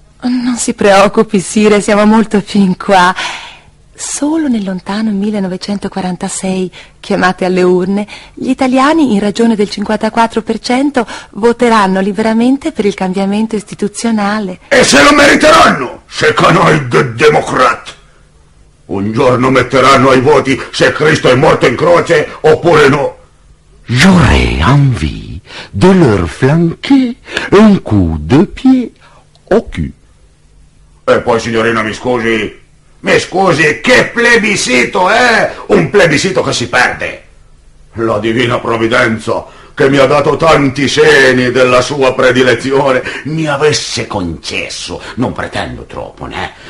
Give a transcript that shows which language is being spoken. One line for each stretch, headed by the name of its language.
Italian: Non si preoccupi, sire, siamo molto fin qua. Solo nel lontano 1946, chiamate alle urne, gli italiani, in ragione del 54%, voteranno liberamente per il cambiamento istituzionale. E se lo meriteranno,
Piedmontese: se canoi de democrat!
Italian: Un giorno metteranno ai voti se Cristo è morto in croce oppure no.
French: J'aurais envie de leur flanquer un coup de pied au cul.
Italian: E poi, signorina, mi scusi, che plebiscito, eh? Un plebiscito che si perde. La divina provvidenza, che mi ha dato tanti segni della sua predilezione, mi avesse concesso, non pretendo troppo, né?